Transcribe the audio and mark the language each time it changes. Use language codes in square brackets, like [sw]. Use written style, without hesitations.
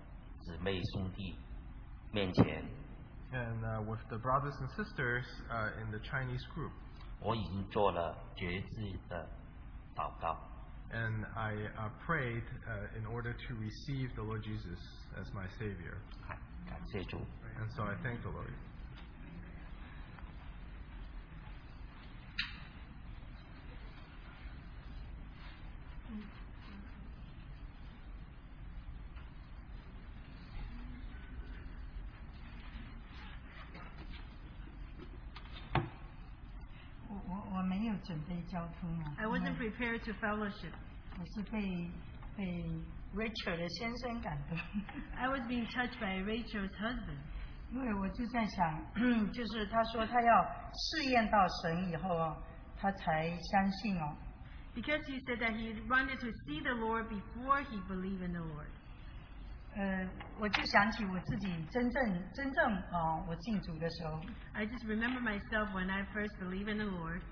[zh] 在中文组的姊妹兄弟面前, [en] and with the brothers and sisters in the Chinese group. [zh] 我已经做了决志的祷告。 [en] And I prayed in order to receive the Lord Jesus as my Savior. [zh] 感谢主。 [en] And so I thank the Lord. [zh] 我没有准备交通啊。 [en] I wasn't prepared to fellowship. [zh] 我是被 Rachel的先生感动。 [en] I was being touched by Rachel's husband. [zh] 因为我就在想，就是他说他要试验到神以后，他才相信哦。 [en] Because he said that he wanted to see the Lord before he believed in the Lord. [zh] 我就想起我自己真正我信主的时候。 [en] I just remember myself when I first believed in the Lord.